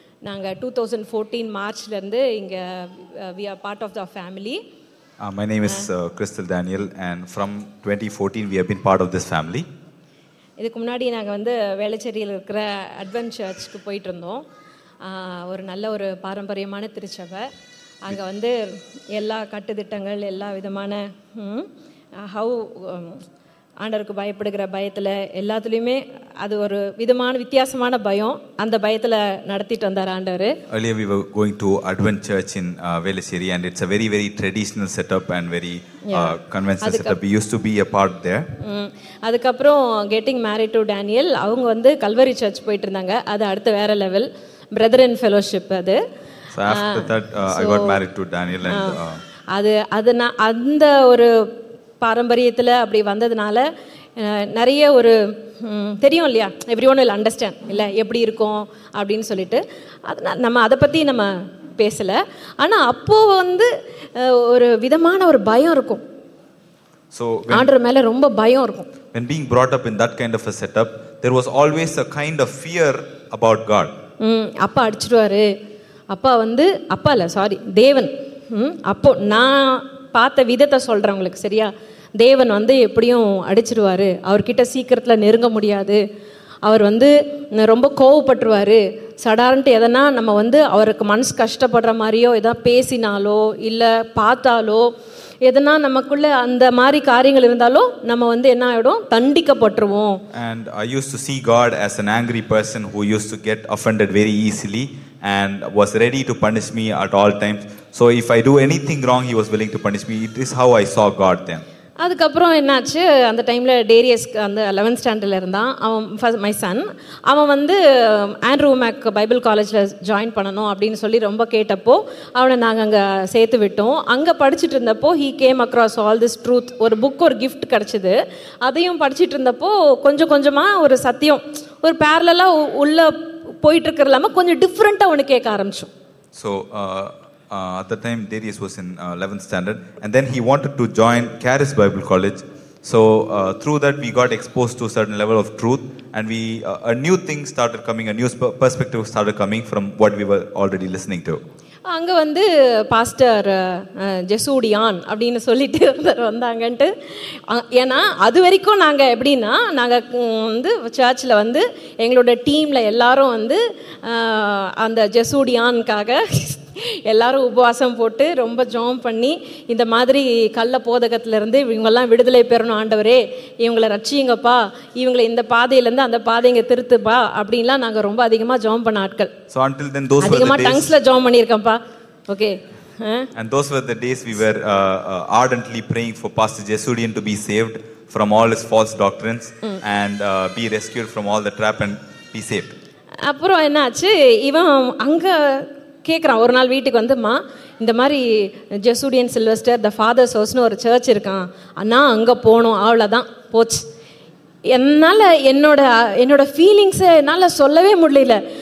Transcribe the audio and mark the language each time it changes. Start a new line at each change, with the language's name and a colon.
Tamil: நாங்கள் 2014 மார்ச்லேருந்து இங்கே
English: We are part of the family. My name is Crystal Daniel and from 2014 we have been part of this family.
Tamil: இதுக்கு முன்னாடி நாங்கள் வந்து வேளச்சேரியில் இருக்கிற அட்வென்ட் சர்ச்சுக்கு போயிட்டு இருந்தோம். ஒரு நல்ல ஒரு பாரம்பரியமான திருச்சபை. அங்கே வந்து எல்லா கட்டுத்திட்டங்கள் எல்லா விதமான ஹவு ஆண்டவருக்கு பயப்படுகிற பயத்தில் எல்லாத்துலேயுமே அது ஒரு விதமான வித்தியாசமான பயம். அந்த பயத்தில் நடத்திட்டு வந்தார் ஆண்டவர்.
English: Earlier we were going to Advent Church in Velachery and it's a very very traditional setup and very conventional setup. We used to be a part there.
Tamil: அதுக்கப்புறம்
English: getting married to
Tamil: டேனியல் அவங்க வந்து Kalvari search போயிட்டு இருந்தாங்க. அது அடுத்த வேற level brother in fellowship அது.
English: So after that I got married to Daniel and
Tamil: அது அது நான் அந்த ஒரு பாரம்பரியத்தில் அப்படி வந்ததுனால நிறைய ஒரு தெரியும் இல்லையா,
English: every one will understand
Tamil: இல்லை எப்படி இருக்கும் அப்படின்னு சொல்லிட்டு அதனால் நம்ம அதை பற்றி நம்ம பேசலை. ஆனால் அப்போது வந்து ஒரு விதமான ஒரு பயம் இருக்கும்.
English: so
Tamil: ஆண்டர் மேலே ரொம்ப பயம் இருக்கும்.
English: When being brought up in that kind of a setup, there was always a kind of fear about God.
Tamil: அப்பா அடிச்சிருவாரு, அப்பா வந்து அப்பா இல்லை சாரி தேவன். அப்போ நான் பார்த்த விதத்தை சொல்கிறேன் உங்களுக்கு சரியா. தேவன் வந்து எப்படியும் அடிச்சிருவார், அவர்கிட்ட சீக்கிரத்தில் நெருங்க முடியாது, அவர் வந்து ரொம்ப கோவப்பட்டுருவார். சடாரண்ட்டு எதனா நம்ம வந்து அவருக்கு மனசு கஷ்டப்படுற மாதிரியோ எதாவது பேசினாலோ இல்லை பார்த்தாலோ எதனா நமக்குள்ள அந்த மாதிரி காரியங்கள் இருந்தாலோ நம்ம வந்து என்ன ஆகிடும், தண்டிக்கப்பட்டுருவோம்.
English: And I used to see God as an angry person who used to get offended very easily and was ready to punish me at all times. So if I do anything wrong, he was willing to punish me. It is how I saw God then.
Tamil: அதுக்கப்புறம் என்னாச்சு, அந்த டைமில் Darius அந்த 11th ஸ்டாண்டர்டில் இருந்தான் அவன்,
English: First my son.
Tamil: அவன் வந்து ஆண்ட்ரூ மேக் பைபிள் காலேஜில் ஜாயின் பண்ணணும் அப்படின்னு சொல்லி ரொம்ப கேட்டப்போ அவனை நாங்கள் அங்கே சேர்த்து விட்டோம். அங்கே படிச்சுட்டு இருந்தப்போ
English: he came across all this truth,
Tamil: ஒரு புக், ஒரு கிஃப்ட் கிடச்சிது. அதையும் படிச்சுட்டு இருந்தப்போ கொஞ்சம் கொஞ்சமாக ஒரு சத்தியம், ஒரு பேரலலாக உள்ளே போயிட்டுருக்கிற இல்லாமல் கொஞ்சம் டிஃப்ரெண்ட்டாக ஒன்று கேட்க ஆரம்பிச்சோம்.
English: So at the time Darius was in 11th standard and then he wanted to join Charis Bible College. So through that we got exposed to a certain level of truth and we a new thing started coming, a new perspective started coming from what we were already listening to.
Tamil: அங்க வந்து pastor ஜெசூடியான் அப்படின்னு சொல்லிட்டு வந்தாங்கன்ட்டு. ஏன்னா அது வரைக்கும் நாங்கள் எப்படின்னா நாங்கள் வந்து சர்ச்சில் வந்து எங்களோட டீமில் எல்லாரும் வந்து அந்த ஜெசூடியானுக்காக எல்லாரும் உபவாசம் போட்டு ரொம்ப ஜோம் பண்ணி இந்த மாதிரி கள்ள போதகத்திலேருந்து இவங்கெல்லாம் விடுதலை பெறணும், ஆண்டவரே இவங்களை ரட்சியுங்கப்பா, இவங்களை இந்த பாதையிலேருந்து அந்த பாதைங்க திருத்துப்பா அப்படின்லாம் நாங்கள் ரொம்ப அதிகமாக ஜோம் பண்ண ஆட்கள்.
English: so until then those
Tamil: அதிகமாக டங்ஸில் ஜோம் பண்ணியிருக்கேன்ப்பா.
English: Okay. And those were the days we were ardently praying for Pastor Jesudian to be saved from all his false doctrines and be rescued from all the trap and be saved.
Tamil: அப்புறம் என்னாச்சு, இவன் அங்கே கேட்குறான் ஒரு நாள் வீட்டுக்கு வந்துமா, இந்த மாதிரி ஜெசூடியன் சில்வெஸ்டர் த ஃபாதர்ஸ் ஹவுஸ்னு ஒரு சர்ச் இருக்கான், அண்ணா அங்கே போகணும், அவ்வளோதான் போச்சு. என்னால் என்னோட ஃபீலிங்ஸை என்னால் சொல்லவே முடியல.